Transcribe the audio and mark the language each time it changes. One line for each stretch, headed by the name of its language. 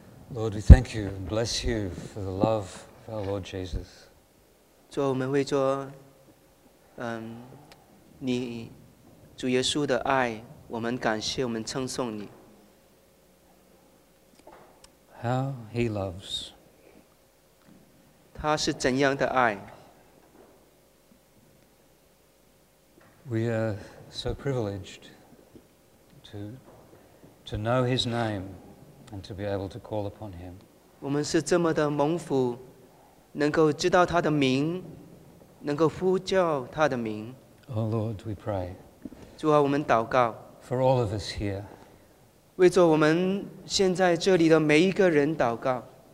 English: Lord, we thank you and bless you for the love of our Lord Jesus.
Chinese: 主，我们会做，你主耶稣的爱，我们感谢，我们称颂你。
English: How he loves.
Chinese: 他是怎样的爱？
English: We are so privileged to know his name and to be able to call upon him.
Chinese: 我们是这么的蒙福，能够知道他的名，能够呼叫他的名。
English: Oh Lord, we pray.
Chinese: 主啊，我们祷告。
English: For all of us here.
Chinese: 为着我们现在这里的每一个人祷告。